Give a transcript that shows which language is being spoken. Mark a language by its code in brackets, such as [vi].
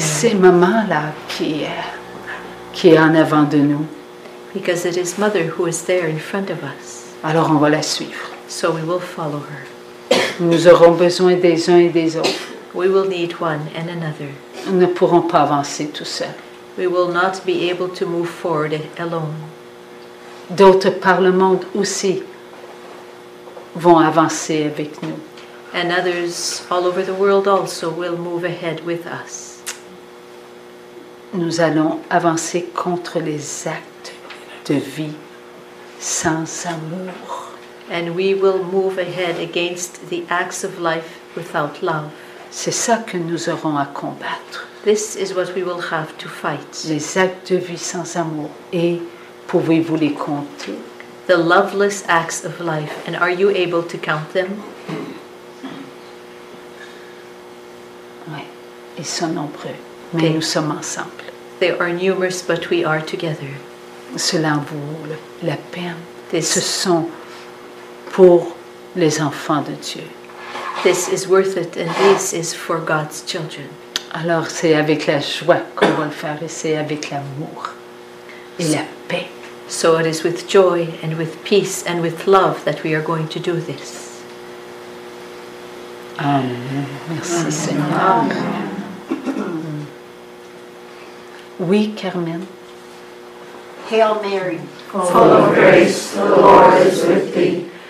[fr] C'est maman là qui est en avant de nous. [en] Because it is mother who is there in front of us. [fr] Alors on va la suivre. [en] So we will follow her. [fr] Nous aurons besoin des uns et des autres. [en] We will need one and another. [fr] Nous ne pourrons pas avancer tout seul. [en] We will not be able to move forward alone. [fr] D'autres par le monde aussi vont avancer avec nous. [en] And others all over the world also will move ahead with us. [fr] Nous allons avancer contre les actes de vie sans amour. [en] And we will move ahead against the acts of life without love. [fr] C'est ça que nous aurons à combattre. [en] This is what we will have to fight. [fr] Les actes de vie sans amour. Et pouvez-vous les compter? [en] The loveless acts of life. And are you able to count them? [fr] Ils sont nombreux, mais nous sommes ensemble. [en] They are numerous, but we are together. [fr] Cela en vaut la peine. Ce sont pour les enfants de Dieu. [en] This is worth it, and this is for God's children. [fr] Alors, c'est avec la joie qu'on va le faire, et c'est avec l'amour et la paix. [en] So it is with joy, and with peace, and with love that we are going to do this. [fr] Amen. Merci, Amen. Seigneur. Amen. Oui, Carmen. [en] Hail Mary, full of grace, the Lord is with thee.